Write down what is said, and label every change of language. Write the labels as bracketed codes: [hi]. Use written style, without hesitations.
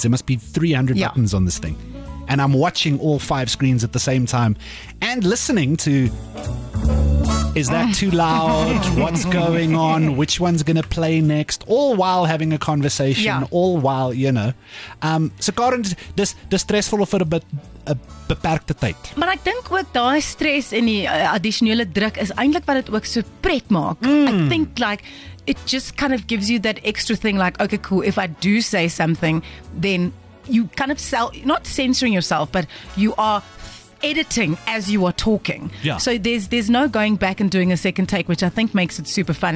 [en] There must be 300 buttons on this thing. And I'm watching all 5 screens at the same time and listening to, is that too loud? What's going on? Which one's going to play next? All while having a conversation. Yeah. All while, you know. So, Karen, this is stressful for a bit. [af] A beperkte tyd. Maar ek dink ook daai stres en die addisionele druk is eintlik wat dit ook so pret maak. [en] I think like it just kind of gives you that extra thing like, okay, cool, if I do say something, then you kind of self, not censoring yourself, but you are editing as you are talking. Yeah. So there's no going back and doing a second take, which I think makes it super fun.